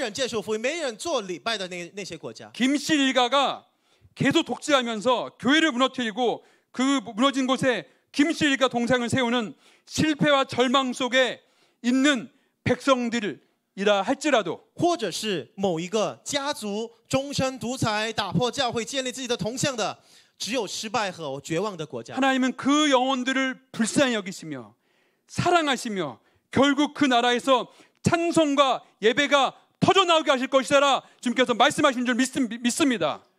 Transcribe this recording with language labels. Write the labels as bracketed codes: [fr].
[ko] 할지라도， [zh] 或者是反而崇拜800万种的邪鬼，没人接受福音，没人做礼拜的那些国家。 [ko] 김씨 일가가 계속 독재하면서 교회를 무너뜨리고 그 무너진 곳에 김씨 일가 동상을 세우는 실패와 절망 속에 있는 백성들이라 할지라도, [zh] 或者是某一个家族终身独裁，打破教会建立自己的铜像的，只有失败和绝望的国家。 [ko] 하나님은 그 영혼들을 불쌍히 여기시며 사랑하시며 결국 그 나라에서 찬송과 예배가 터져 나오게 하실 것이라 주님께서 말씀하신 줄 믿습니다.